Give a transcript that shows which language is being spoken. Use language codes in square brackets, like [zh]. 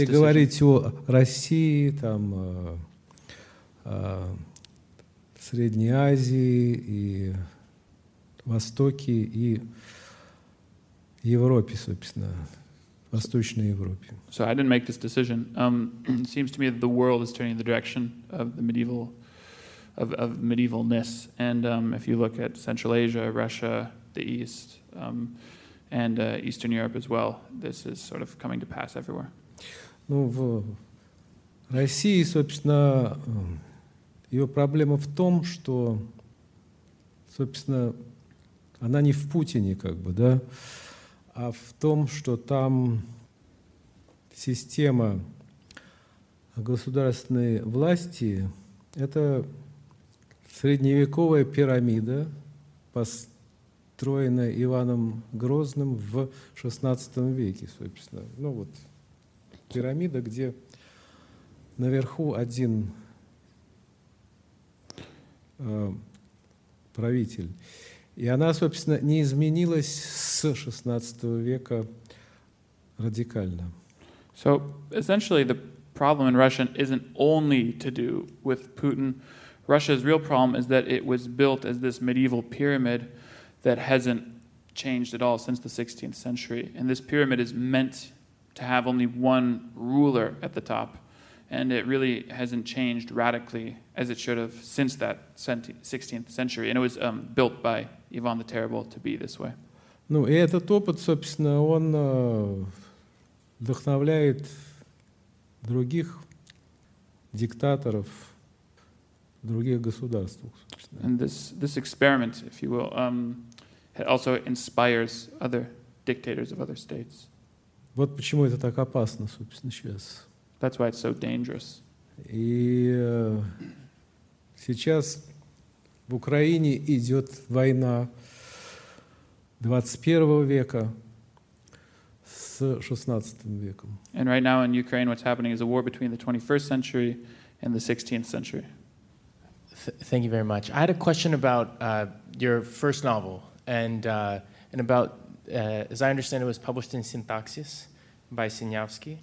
[ru] Если говорить о России, там, Средней Азии и Востоке и Европе, собственно, Восточной Европе. [en] So I didn't make this decision. It seems to me that the world is turning in the direction of the medieval, of medievalness. And if you look at Central Asia, Russia, the East, and Eastern Europe as well, this is sort of coming to pass everywhere. [ru] Ну, в России, собственно, ее проблема в том, что, собственно, она не в Путине, как бы, да, а в том, что там система государственной власти – это средневековая пирамида, построенная Иваном Грозным в XVI веке, собственно. Ну вот, пирамида, где наверху один правитель. И она, собственно, не изменилась с XVI века радикально. [en] So, essentially, the problem in Russia isn't only to do with Putin. Russia's real problem is that it was built as this medieval pyramid that hasn't changed at all since the 16th century. And this pyramid is meant to have only one ruler at the top. And it really hasn't changed radically as it should have since that 16th century. And it was built by Ivan the Terrible to be this way. [ru] Ну, и этот опыт, собственно, он вдохновляет других диктаторов других государств. [en] And this experiment, if you will, also inspires other dictators of other states. [ru] Вот почему это так опасно, собственно, сейчас. [en] That's why it's so dangerous. [ru] И сейчас в Украине идет война 21 века с 16 веком. [en] And right now in Ukraine, what's happening is a war between the 21st century and the 16th century. Thank you very much. I had a question about your first novel, and about, as I understand, it was published in Syntaxis by Sinyavsky.